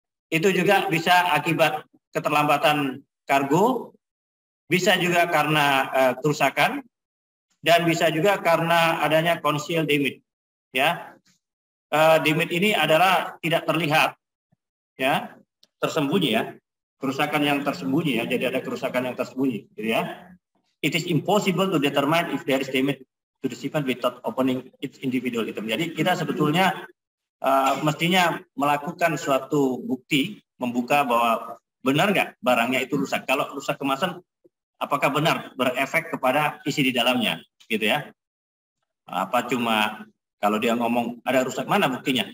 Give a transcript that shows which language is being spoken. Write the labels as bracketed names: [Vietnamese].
[Indonesian] Itu juga bisa akibat keterlambatan kargo, bisa juga karena kerusakan, dan bisa juga karena adanya concealed damage. Ya. Damage ini adalah tidak terlihat. Ya. Tersembunyi ya. Kerusakan yang tersembunyi ya. Jadi ada kerusakan yang tersembunyi gitu ya. [English] It is impossible to determine if there is damage to the shipment without opening its individual item. [Indonesian] Jadi kita sebetulnya mestinya melakukan suatu bukti, membuka bahwa benar nggak barangnya itu rusak. Kalau rusak kemasan, apakah benar berefek kepada isi di dalamnya, gitu ya? Apa cuma kalau dia ngomong ada rusak, mana buktinya?